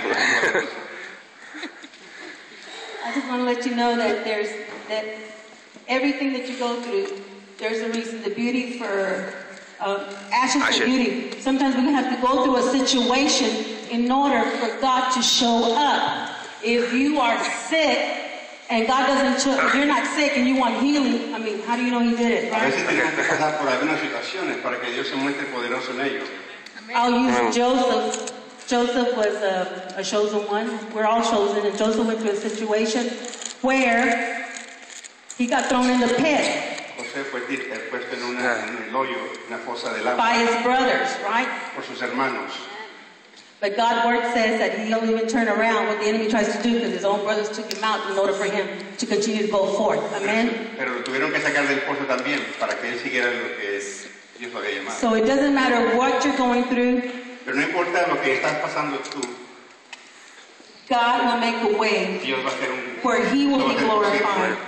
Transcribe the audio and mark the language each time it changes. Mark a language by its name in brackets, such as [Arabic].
[English] I just want to let you know that there's that everything that you go through, there's a reason. The beauty for ashes for beauty. Sometimes we have to go through a situation in order for God to show up. If you are sick and God doesn't show, if you're not sick and you want healing, I mean, how do you know He did it? [Spanish] A veces tienes que pasar por algunas situaciones para que Dios se muestre poderoso en ello. [English] I'll use Joseph. Joseph was a chosen one. We're all chosen. And Joseph went through a situation where he got thrown in the pit. [Spanish] José fue puesto en el hoyo, una fosa del agua. [English] By his brothers, right? [Spanish] Por sus hermanos. [English] But God's word says that he don't even turn around what the enemy tries to do because his own brothers took him out in order for him to continue to go forth. Amen? [Spanish] Pero lo tuvieron que sacar del pozo también para que él siguiera lo que Dios lo había llamado. [English] So it doesn't matter what you're going through. [Spanish] Pero no importa lo que estás pasando tú. [English] God will make a way where He will be glorified.